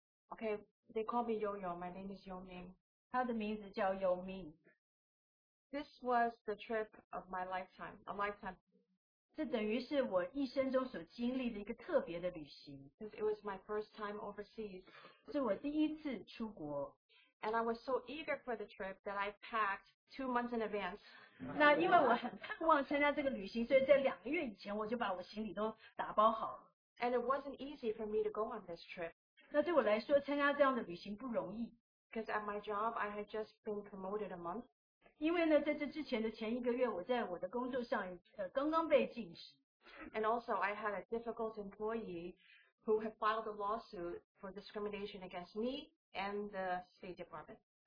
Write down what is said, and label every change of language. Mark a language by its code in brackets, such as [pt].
[en] Okay, they call me Yo-Yo. My name is Yo-Ming. [zh] 他的名字叫Yo-Ming. [en] This was the trip of my lifetime. A lifetime. [zh] 这等于是我一生中所经历的一个特别的旅行. [en] Because it was my first time overseas. [zh] 是我第一次出国. [en] And I was so eager for the trip that I packed 2 months in advance. [zh] 那因为我很盼望参加这个旅行，所以在两个月以前我就把我行李都打包好了. [en] And it wasn't easy for me to go on this trip. [zh] 那对我来说，参加这样的旅行不容易. [en] Because at my job, I had just been promoted a month. [zh] 因为呢，在这之前的前一个月，我在我的工作上刚刚被晋升. [en] And also, I had a difficult employee who had filed a lawsuit for discrimination against me and the State Department.